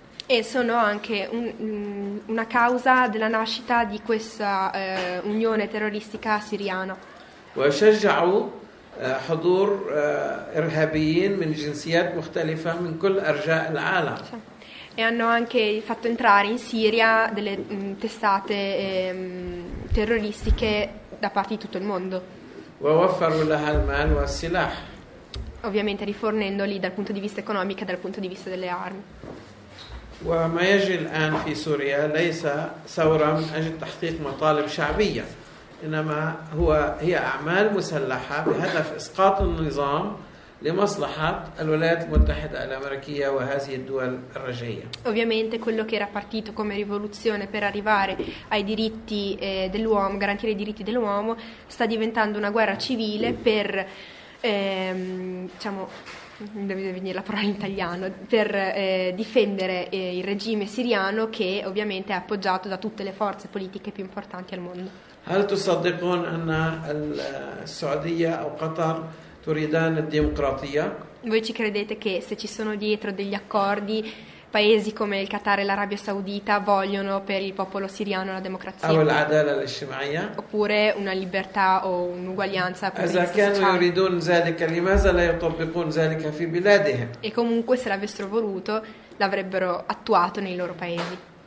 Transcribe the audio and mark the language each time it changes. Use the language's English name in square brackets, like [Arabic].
[Italian] E sono anche una causa della nascita di questa unione terroristica siriana. [Arabic] وشجعوا حضور إرهابيين من جنسيات مختلفة من كل أرجاء العالم. [Italian] E hanno anche fatto entrare in Siria delle testate terroristiche da parte di tutto il mondo. [Arabic] ووفروا لها المال والسلاح. [Italian] Ovviamente rifornendoli dal punto di vista economico e dal punto di vista delle armi. [Arabic] وما يجري الآن في سوريا ليس ثورة من أجل تحقيق مطالب شعبية إنما هي أعمال مسلحة بهدف إسقاط النظام لمصلحة الولايات المتحدة الأمريكية وهذه الدول الرجعية. [Italian] Ovviamente quello che era partito come rivoluzione per arrivare ai diritti dell'uomo, garantire i diritti dell'uomo, sta diventando una guerra civile per diciamo, deve venire la parola in italiano, per difendere il regime siriano che ovviamente è appoggiato da tutte le forze politiche più importanti al mondo. [Arabic] هل تصدقون أن السعودية أو قطر تريدان الديمقراطية؟ [Italian] Voi ci credete che se ci sono dietro degli accordi paesi come il Qatar e l'Arabia Saudita vogliono per il popolo siriano la democrazia [Arabic] أو العدالة الاجتماعية؟ [Italian] Oppure una libertà o un'uguaglianza [Arabic] per إذا كانوا يريدون ذلك لماذا لا يطبقون ذلك في بلادهم؟ [Italian] E comunque se l'avessero voluto l'avrebbero attuato nei loro paesi.